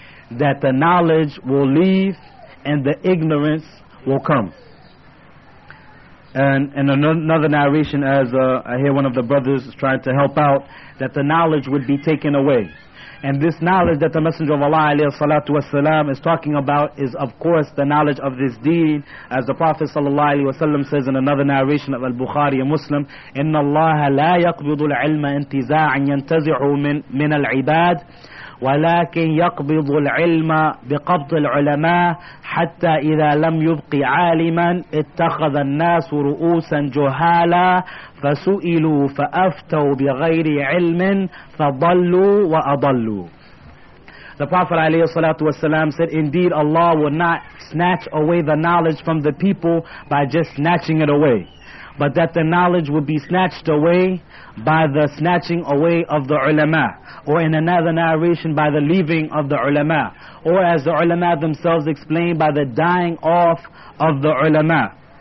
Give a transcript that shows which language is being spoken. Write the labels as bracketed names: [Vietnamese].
[English] That the knowledge will leave and the ignorance will come. And in another narration, as I hear one of the brothers is trying to help out, that the knowledge would be taken away. And this knowledge that the Messenger of Allah alayhi salatu wasalam is talking about is, of course, the knowledge of this deen. As the Prophet sallallahu alayhi wasalam says in another narration of Al-Bukhari, a Muslim, [Arabic] إِنَّ اللَّهَ لَا يَقْبِضُ الْعِلْمَ انْتِزَاعًا يَنْتَزِعُ مِنَ الْعِبَادِ وَلَكِنْ يَقْبِضُ الْعِلْمَ بِقَبْضِ الْعُلَمَاءِ حَتَّى إِذَا لَمْ يُبْقِ عَالِمًا اتَّخَذَ النَّاسُ رُؤُوسًا جُهَالًا فَسُئِلُوا فَأَفْتَوْا بِغَيْرِ عِلْمٍ فَضَلُّوا وَأَضَلُّوا. [English] The Prophet عليه الصلاة والسلام said, indeed Allah will not snatch away the knowledge from the people by just snatching it away. but that the knowledge will be snatched away by the snatching away of the ulama, or in another narration, by the leaving of the ulama, or as the ulama themselves explain, by the dying off of the ulama.